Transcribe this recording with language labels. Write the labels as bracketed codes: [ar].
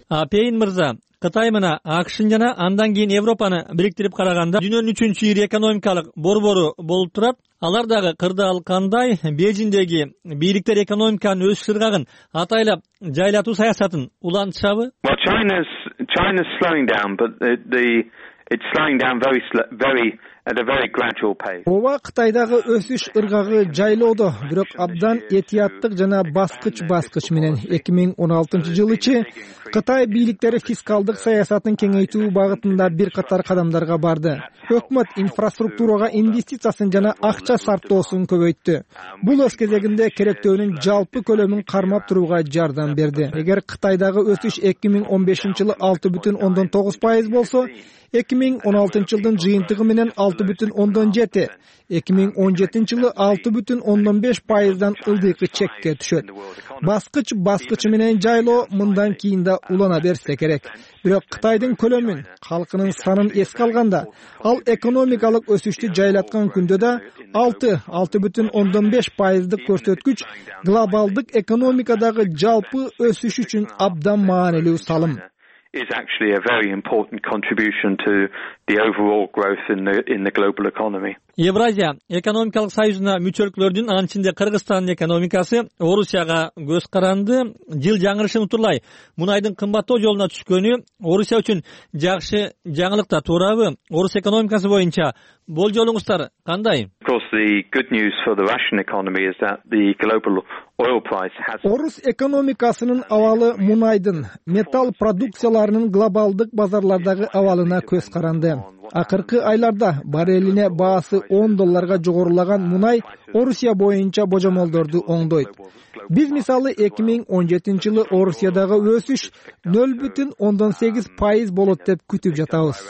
[ky] Пейн мырза, Кытай мына АКШын жана андан кийин Европаны бириктирип караганда дүйнөнүн 3-чү ири экономикалык борбору болуп турат. Алар дагы кырдаал кандай? Бээжиндеги бийликтер экономиканын өсүш ыргагын атайлап жайлатуу саясатын улантышабы? [en] China's slowing down, but it's slowing down very at a very gradual pace. [ky] Ооба, Кытайдагы өсүш ыргагы жайлоодо, бирок абдан этияттык жана баскыч менен. 2016 жылы чи Кытай бийликтери фискалдык саясатын кеңейтүү багытында бир катар кадамдарга барды. Өкмөт инфраструктурага инвестициясын жана акча сарптоосун көбөйттү. Бул өз кезегинде керектөөнүн жалпы көлөмүн кармап турууга жардам берди. Эгер Кытайдагы өсүш 2015 жылы 6.9% болсо, 2016 жылдын жыйынтыгы менен 6.7, 2017 жылы 6.5%дан ылдыйкы чекке түшөт. Баскыч баскычы менен жайлоо мындан кийин да улана берсе керек. Бирок Кытайдын көлөмүн, халкынын санын эске алганда, ал экономикалык өсүштү жайлаткан күндө да 6.5% көрсөткүч глобалдык экономикадагы жалпы өсүш үчүн абдан маанилүү салым. [en] Is actually a very important contribution to the overall growth in the global economy. [ky] Евразия экономикалык союзуна мүчөлүклөрдүн анын ичинде Кыргызстандын экономикасы Орусияга көз каранды. Жыл жаңырышын утурлай мунайдын кымбаттоо жолуна түшкөнү Орусия үчүн жакшы жаңылык да, туурабы? Орус экономикасы боюнча болжолуңуздар кандай? [en] Of course, the good news for the Russian economy is that the global oil price has [ky] Орус экономикасынын абалы мунайдын металл продукцияларынын глобалдык базарлардагы абалына көз каранды. Акыркы айларда бареллине баасы $10 жогорулаган мунай Орусия боюнча божомолдорду оңдойт. Биз мисалы 2017 жылы Орусиядагы өсүш 0.8% болот деп күтүп жатабыз.